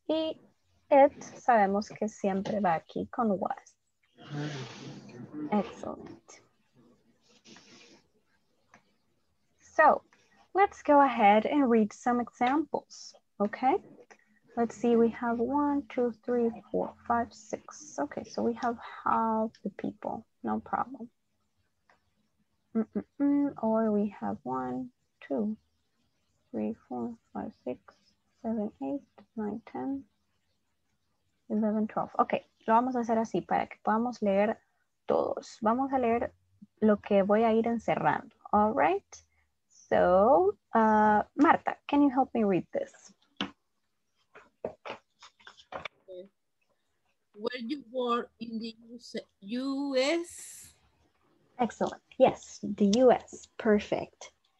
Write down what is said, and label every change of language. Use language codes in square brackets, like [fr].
[es] Y it, sabemos que siempre va aquí con was. [en] Excellent. So, let's go ahead and read some examples, okay? Let's see, we have 1, 2, 3, 4, 5, 6. Okay, so we have half the people, no problem. Or we have 1, 2, 3, 4, 5, 6, 7, 8, 9, 10, 11, 12. [es] Okay, lo vamos a hacer así para que podamos leer todos. Vamos a leer lo que voy a ir encerrando. [en] All right. So, Marta, can you help me read this? Where you were in the U.S.? Excellent. Yes, the U.S. Perfect.